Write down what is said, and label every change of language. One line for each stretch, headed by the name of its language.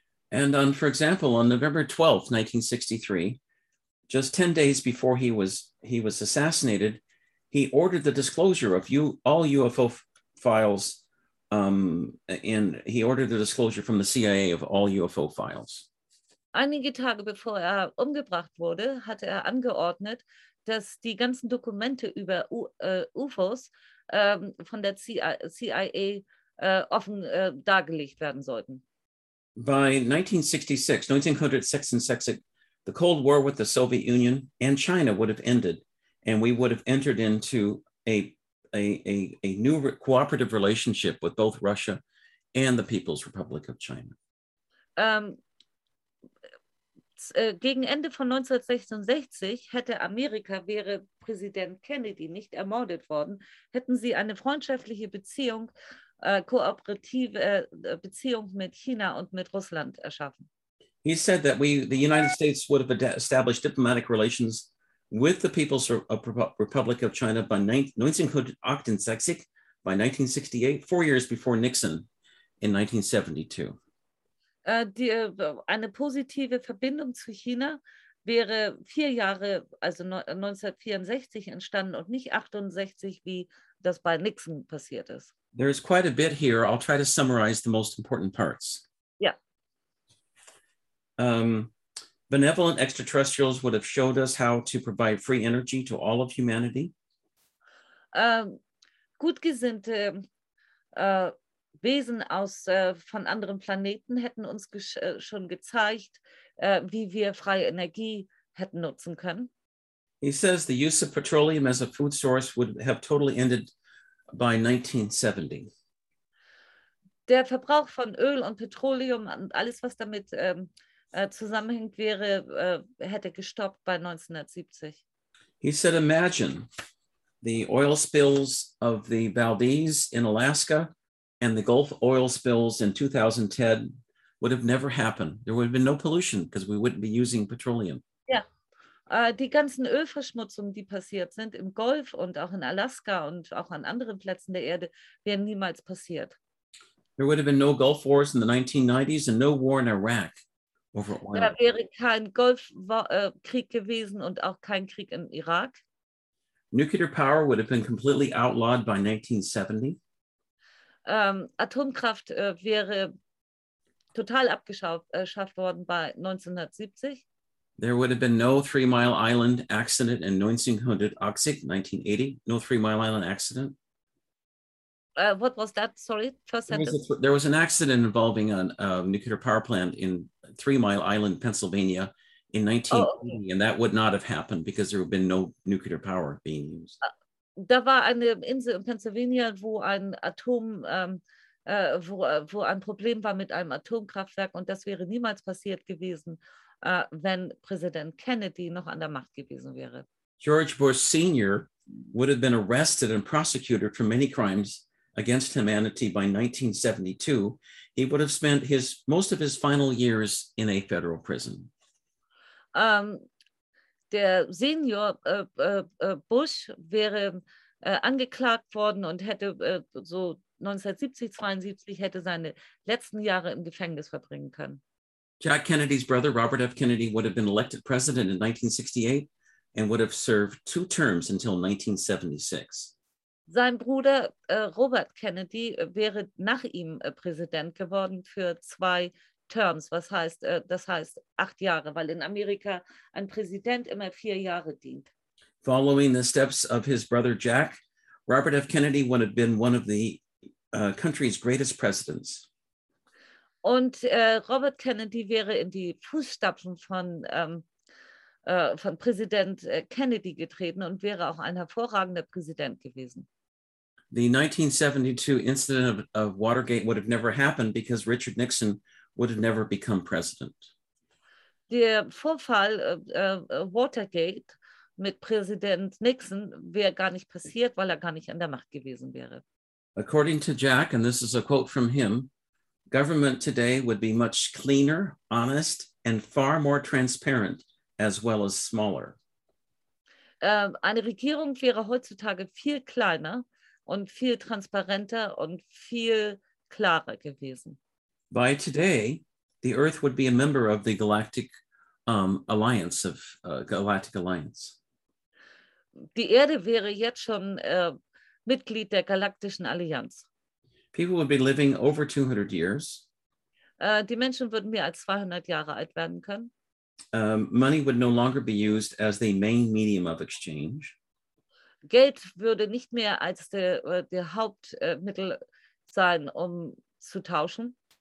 English: And on, for example, on November 12, 1963, just 10 days before he was assassinated, he ordered the disclosure of all UFO files, and he ordered the disclosure from the CIA of all UFO files.
German: Einige Tage bevor er umgebracht wurde, hatte er angeordnet, dass die ganzen Dokumente über UFOs von der CIA offen dargelegt werden sollten.
English: By 1966, the Cold War with the Soviet Union and China would have ended, and we would have entered into a new cooperative relationship with both Russia and the People's Republic of China.
German: Gegen Ende von 1966 wäre Präsident Kennedy nicht ermordet worden, hätten sie eine freundschaftliche Beziehung, kooperative Beziehung mit China und mit Russland erschaffen.
English: He said that the United States would have established diplomatic relations with the People's Republic of China by 1968, 4 years before Nixon in 1972.
German: Eine positive Verbindung zu China wäre 4 Jahre, also 1964 entstanden und nicht 68, wie das bei Nixon passiert ist.
English: There is quite a bit here. I'll try to summarize the most important parts. Yeah. Benevolent extraterrestrials would have showed us how to provide free energy to all of humanity.
German: Gutgesinnte Wesen aus von anderen Planeten hätten uns schon gezeigt, wie wir freie Energie hätten nutzen können.
English: He says the use of petroleum as a food source would have totally ended by 1970.
German: Der Verbrauch von Öl und Petroleum und alles, was damit zusammenhängt, hätte gestoppt bei 1970.
English: He said, imagine the oil spills of the Valdez in Alaska. And the Gulf oil spills in 2010 would have never happened. There would have been no pollution because we wouldn't be using petroleum. Yeah.
German: Die ganzen Ölverschmutzungen, die passiert sind im Golf und auch in Alaska und auch an anderen Plätzen der Erde, wären niemals passiert.
English: There would have been no Gulf Wars in the 1990s and no war in Iraq over oil.
German: Da wäre kein Golfkrieg gewesen und auch kein Krieg im Irak.
English: Nuclear power would have been completely outlawed by 1970.
German: Atomkraft wäre total abgeschafft worden bei 1970.
English: There would have been no Three Mile Island accident in 1980. No Three Mile Island accident. What was that? Sorry, first sentence. There was an accident involving a nuclear power plant in Three Mile Island, Pennsylvania, in 1980, oh, okay. And that would not have happened because there would have been no nuclear power being used.
German: Da war eine Insel in Pennsylvania, wo ein Atom, wo ein Problem war mit einem Atomkraftwerk, und das wäre niemals passiert gewesen, wenn Präsident Kennedy noch an der Macht gewesen wäre.
English: George Bush Sr. would have been arrested and prosecuted for many crimes against humanity by 1972. He would have spent most of his final years in a federal prison.
German: Der Senior Bush wäre angeklagt worden und hätte so 1970, 72 hätte seine letzten Jahre im Gefängnis verbringen können.
English: Jack Kennedy's brother, Robert F. Kennedy, would have been elected president in 1968 and would have served two terms until 1976.
German: Sein Bruder Robert Kennedy wäre nach ihm Präsident geworden für zwei Terms, das heißt 8 Jahre, weil in Amerika ein Präsident immer 4 Jahre dient.
English: Following the steps of his brother Jack, Robert F. Kennedy would have been one of the country's greatest presidents.
German: Und Robert Kennedy wäre in die Fußstapfen von Präsident Kennedy getreten und wäre auch ein hervorragender Präsident gewesen.
English: The 1972 incident of Watergate would have never happened because Richard Nixon would have never become president.
German: Der Vorfall Watergate mit Präsident Nixon wäre gar nicht passiert, weil er gar nicht an der Macht gewesen wäre.
English: According to Jack, and this is a quote from him, government today would be much cleaner, honest, and far more transparent, as well as smaller.
German: Eine Regierung wäre heutzutage viel kleiner und viel transparenter und viel klarer gewesen.
English: By today, the Earth would be a member of the Galactic Alliance of Galactic Alliance.
German: Die Erde wäre jetzt schon Mitglied der Galaktischen Allianz.
English: People would be living over 200 years.
German: Die Menschen würden mehr als 200 Jahre alt werden können.
English: Money would no longer be used as the main medium of exchange.
German: Geld würde nicht mehr als der Hauptmittel sein, um zu tauschen.